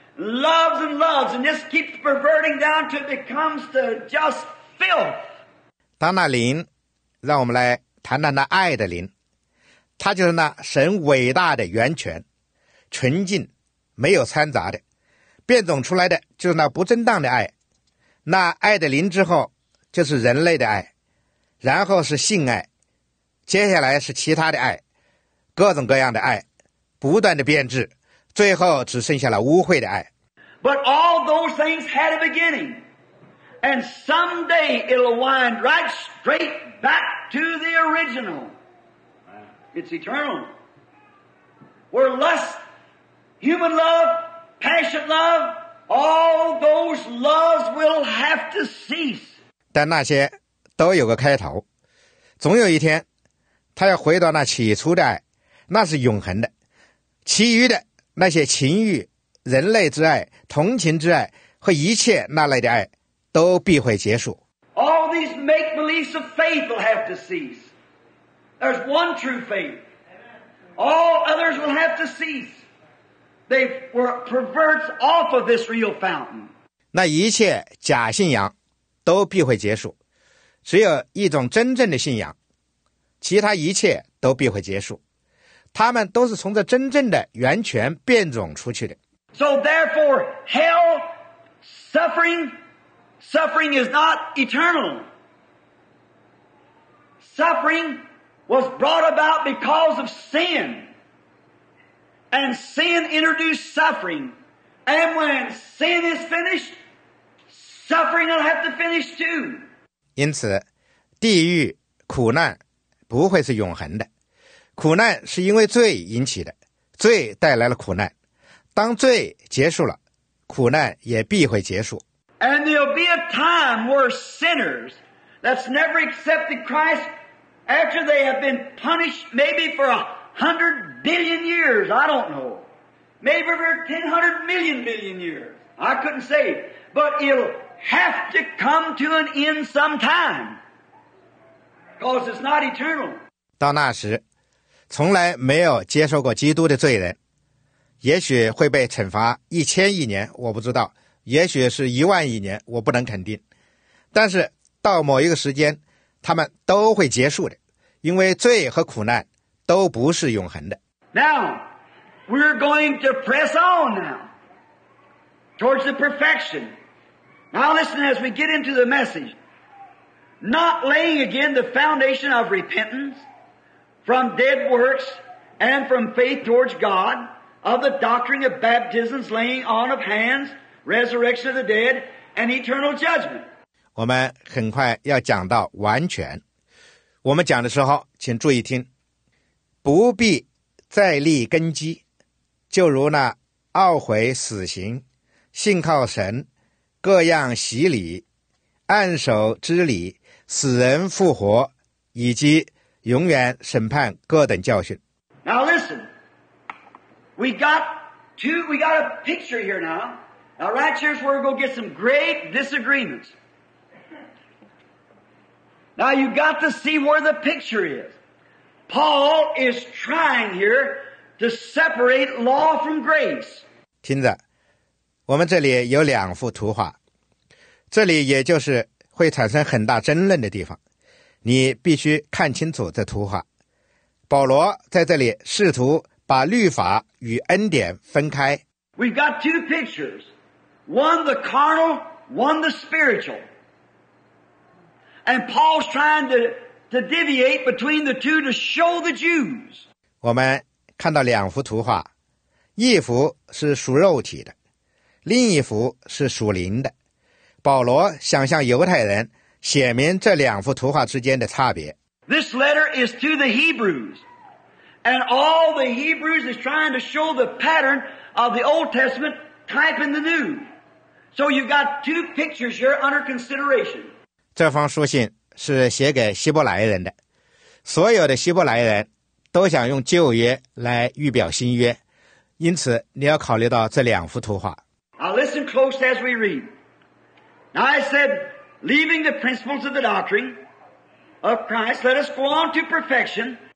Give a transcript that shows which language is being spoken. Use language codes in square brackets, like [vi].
[en] Loves and loves, and this keeps perverting down till it becomes to just filth. [zh] 当那灵，让我们来谈谈那爱的灵，它就是那神伟大的源泉，纯净、没有掺杂的，变种出来的就是那不正当的爱，那爱的灵之后就是人类的爱，然后是性爱，接下来是其他的爱，各种各样的爱不断的变质，最后只剩下了污秽的爱。 [en] But all those things had a beginning, and someday it'll wind right straight back to the original. It's eternal. Where lust, human love, passionate love, all those loves will have to cease. [zh] 但那些都有个开头，总有一天他要回到那起初的爱，那是永恒的，其余的那些情欲、人类之爱、同情之爱和一切那类的爱都必会结束。 [en] All these make-beliefs of faith will have to cease. There's one true faith. All others will have to cease. They were perverts off of this real fountain. [zh] 那一切假信仰都必会结束，只有一种真正的信仰，其他一切都必会结束，他们都是从这真正的源泉变种出去的。 [en] So therefore, hell, suffering is not eternal. Suffering was brought about because of sin. And sin introduced suffering. And when sin is finished, suffering will have to finish too. [zh] 因此，地狱、苦难不会是永恒的。苦难是因为罪引起的，罪带来了苦难，当罪结束了，苦难也必会结束。 [en] And there'll be a time where sinners that's never accepted Christ, after they have been punished maybe for 100 billion years, I don't know, maybe for 10 million billion years, I couldn't say, but it'll have to come to an end sometime, because it's not eternal. [zh] 到那时，从来没有接受过基督的罪人，也许会被惩罚1000亿年，我不知道，也许是10000亿年，我不能肯定，但是到某一个时间他们都会结束的，因为罪和苦难都不是永恒的。 [en] Now we're going to press on now towards the perfection. Now listen as we get into the message, not laying again the foundation of repentanceFrom dead works and from faith towards God, of the doctrine of baptisms, laying on of hands, resurrection of the dead, and eternal judgment. [zh] 我们很快要讲到完全。我们讲的时候，请注意听，不必再立根基，就如那懊悔死刑、信靠神、各样洗礼、按手之礼、死人复活，以及永远审判各等教训。 [en] Now listen, we got a picture here now. Now right here's where we'll get some great disagreements. Now you got to see where the picture is. Paul is trying here to separate law from grace. [zh] 听着，我们这里有两幅图画，这里也就是会产生很大争论的地方。你必须看清楚这图画，保罗在这里试图把律法与恩典分开。 [en] We've got two pictures, one the carnal, one the spiritual, and Paul's trying to deviate between the two to show the Jews. [zh] 我们看到两幅图画，一幅是属肉体的，另一幅是属灵的，保罗想向犹太人写明这两幅图画之间的差别。 [en] This letter is to the Hebrews, and all the Hebrews is trying to show the pattern of the Old Testament type in the New. So you've got two pictures here under consideration. [zh] 这封书信是写给希伯来人的，所有的希伯来人都想用旧约来预表新约，因此你要考虑到这两幅图画。 [en] Now listen close as we read. Now I saidLeaving the principles of the doctrine of Christ, let us go on to perfection.